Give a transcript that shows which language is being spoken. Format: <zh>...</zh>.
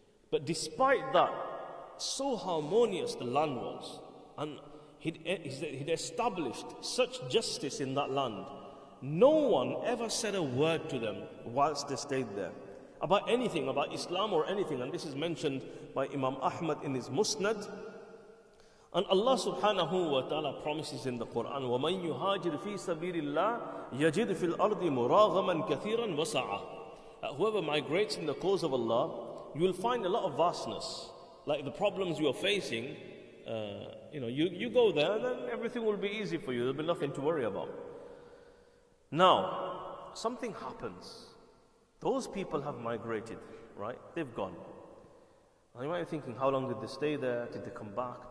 <en>But despite that, so harmonious the land was, and he'd established such justice in that land, no one ever said a word to them whilst they stayed there about anything, about Islam or anything. And this is mentioned by Imam Ahmad in his Musnad. And Allah subhanahu wa ta'ala promises in the Quran,</en> <ar>وَمَنْ يُهَاجِرْ فِي سَبِيلِ اللَّهِ يَجِدْ فِي الْأَرْضِ مُرَاغَمًا كَثِيرًا وَسَعَةً.</ar> <en>Whoever migrates in the cause of Allah, you will find a lot of vastness. Like the problems you are facing, you know, you go there and then everything will be easy for you. There'll be nothing to worry about. Now, something happens. Those people have migrated, right? They've gone. And you might be thinking, how long did they stay there? Did they come back?</en>